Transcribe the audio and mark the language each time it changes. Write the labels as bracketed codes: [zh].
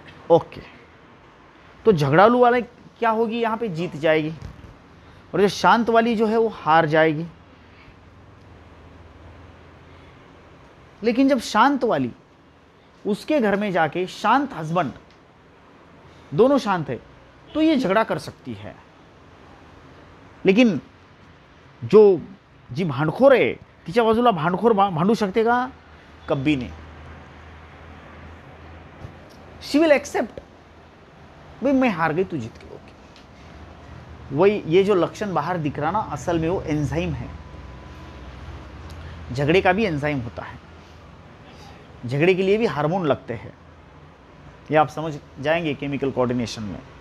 [hi] Okay, तो झगड़ालू वाले क्या होगी, यहाँ पे जीत जाएगी, और जो शांत वाली जो है वो हार जाएगी। लेकिन जब शांत वाली उसके घर में जाके, शांत हस्बैंड, दोनों शांत है, तो ये झगड़ा कर सकती है। [mr] लेकिन जो जी भांडखोर है, तिच्या बाजूला भांडखोर भांडू शकते का? [hi] कभी नहीं। [en] she will accept, [hi] भाई मैं हार गई, तू जीत गई, ओके। वही ये जो लक्षण बाहर दिख रहा ना, असल में वो एंजाइम है, झगड़े का भी एंजाइम होता है, झगड़े के लिए भी हार्मोन लगते हैं, ये आप समझ जाएंगे केमिकल कोऑर्डिनेशन में।